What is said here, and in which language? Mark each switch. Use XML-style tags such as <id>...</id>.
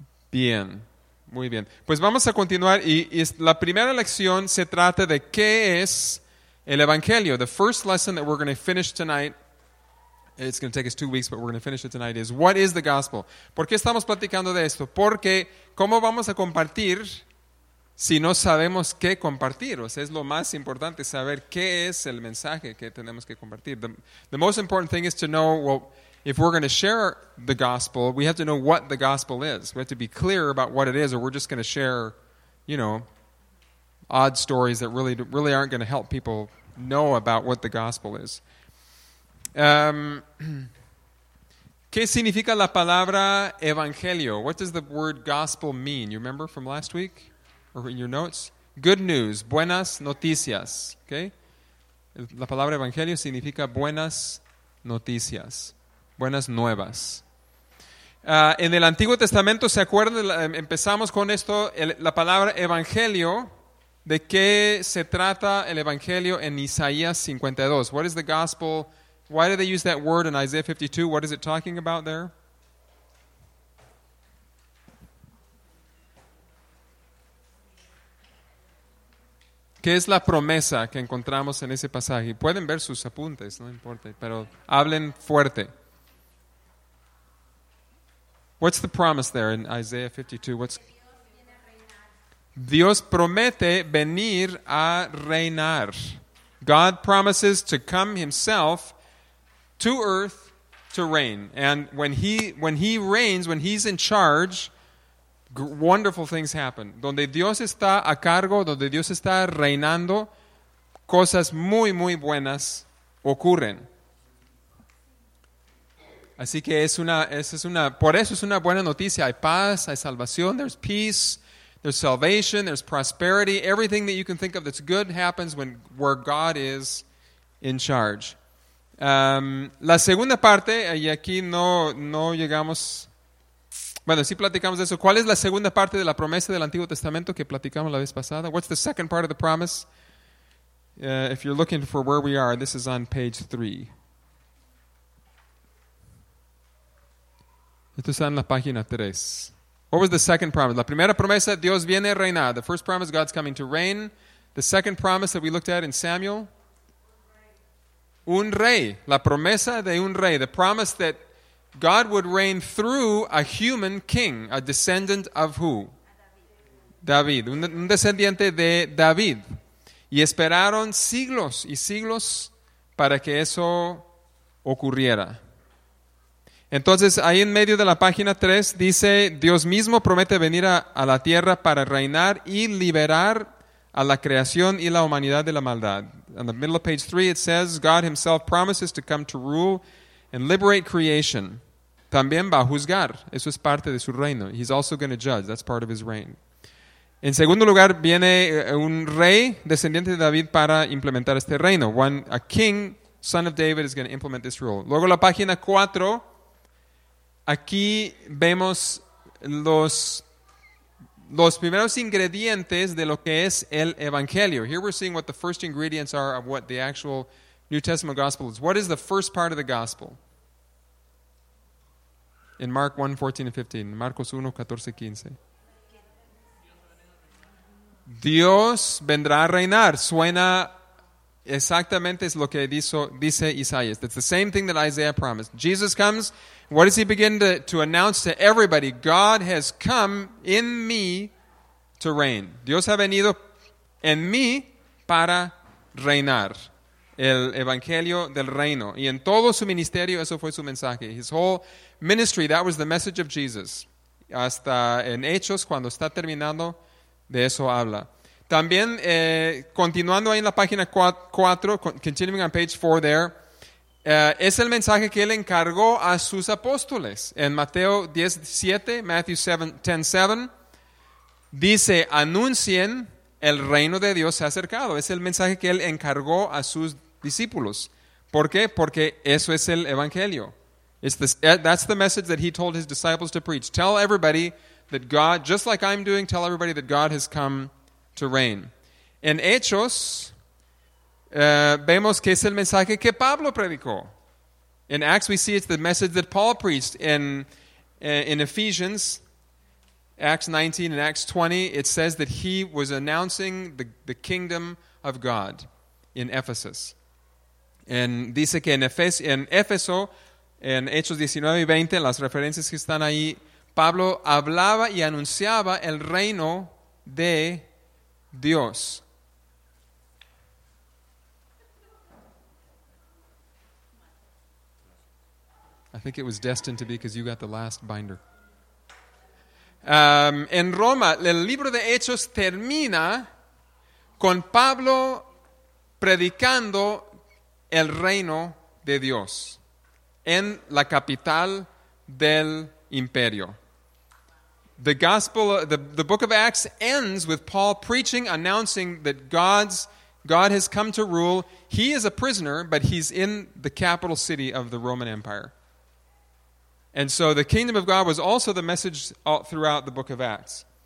<es>Bien, muy bien. Pues vamos a continuar y la primera lección se trata de qué es el Evangelio.</es> <en>The first lesson that we're going to finish tonight, it's going to take us 2 weeks, but we're going to finish it tonight, is what is the gospel?</en> <es>¿Por qué estamos platicando de esto? Porque, ¿cómo vamos a compartir si no sabemos qué compartir? O sea, es lo más importante saber qué es el mensaje que tenemos que compartir.</es> <en>The most important thing is to know, well, if we're going to share the gospel, we have to know what the gospel is. We have to be clear about what it is, or we're just going to share, you know, odd stories that really aren't going to help people know about what the gospel is.</en> <es>¿Qué significa la palabra evangelio?</es> <en>What does the word gospel mean? You remember from last week? Or in your notes? Good news,</en> <es>buenas noticias.</es> <en>Okay?</en> <es>La palabra evangelio significa buenas noticias, buenas nuevas. En el Antiguo Testamento, ¿se acuerdan? Empezamos con esto, la palabra evangelio. ¿De qué se trata el evangelio en Isaías 52?</es> <en>What is the gospel? Why do they use that word in Isaiah 52? What is it talking about there?</en> <es>¿Qué es la promesa que encontramos en ese pasaje? Pueden ver sus apuntes, no importa, pero hablen fuerte.</es> <en>What's the promise there in Isaiah 52? What's</en> <es>Dios promete venir a reinar.</es> <en>God promises to come himself to earth to reign. And when he reigns, when he's in charge, wonderful things happen.</en> <es>Donde Dios está a cargo, donde Dios está reinando, cosas muy, muy buenas ocurren. Así que por eso es una buena noticia. Hay paz, hay salvación,</es> <en>there's peace. There's salvation, there's prosperity, everything that you can think of that's good happens where God is in charge.</en> <es>La segunda parte, y aquí no llegamos, bueno, sí platicamos de eso. ¿Cuál es la segunda parte de la promesa del Antiguo Testamento que platicamos la vez pasada?</es> <en>What's the second part of the promise? If you're looking for where we are, this is on page 3.</en> <es>Esto está en la página 3.</es> <en>What was the second promise?</en> <es>La primera promesa, Dios viene a reinar.</es> <en>The first promise, God's coming to reign. The second promise that we looked at in Samuel,</en> <es>un rey. La promesa de un rey.</es> <en>The promise that God would reign through a human king, a descendant of who?</en> <es>David. Un descendiente de David. Y esperaron siglos y siglos para que eso ocurriera. Entonces, ahí en medio de la página 3 dice, Dios mismo promete venir a la tierra para reinar y liberar a la creación y la humanidad de la maldad.</es> <en>On the middle of page 3 it says, God himself promises to come to rule and liberate creation.</en> <es>También va a juzgar. Eso es parte de su reino.</es> <en>He's also going to judge. That's part of his reign.</en> <es>En segundo lugar, viene un rey descendiente de David para implementar este reino.</es> <en>A king, son of David, is going to implement this rule.</en> <es>Luego la página 4. Aquí vemos los primeros ingredientes de lo que es el Evangelio.</es> <en>Here we're seeing what the first ingredients are of what the actual New Testament gospel is. What is the first part of the gospel? In Mark 1, 14 and 15.</en> <es>Marcos 1, 14, 15. Dios vendrá a reinar. Suena exactamente es lo que dice Isaías.</es> <en>It's the same thing that Isaiah promised. Jesus comes. What does he begin to announce to everybody? God has come in me to reign.</en> <es>Dios ha venido en mí para reinar. El evangelio del reino. Y en todo su ministerio, eso fue su mensaje.</es> <en>His whole ministry, that was the message of Jesus.</en> <es>Hasta en Hechos, cuando está terminando, de eso habla. También, continuando ahí en la página 4,</es> <en>continuing on page 4 there,</en> <es>es el mensaje que él encargó a sus apóstoles. En Mateo 10:7,</es> <en>Matthew 10:7,</en> <es>dice, anuncien, el reino de Dios se ha acercado. Es el mensaje que él encargó a sus discípulos. ¿Por qué? Porque eso es el evangelio.</es> <en>That's the message that he told his disciples to preach. Tell everybody that God, just like I'm doing, tell everybody that God has come to reign.</en> <es>En Hechos, vemos que es el mensaje que Pablo predicó.</es> <en>In Acts, we see it's the message that Paul preached. In Ephesians, Acts 19 and Acts 20, it says that he was announcing the kingdom of God in Ephesus.</en> <es>And dice que en Éfeso, en Hechos 19 y 20, las referencias que están ahí, Pablo hablaba y anunciaba el reino de Dios.</es> <en>I think it was destined to be because you got the last binder.</en> <es>En Roma, el libro de Hechos termina con Pablo predicando el reino de Dios en la capital del imperio.</es> <en>The gospel, the book of Acts ends with Paul preaching, announcing that God has come to rule. He is a prisoner, but he's in the capital city of the Roman Empire. And so the kingdom of God was also the message all throughout the book of Acts.</en>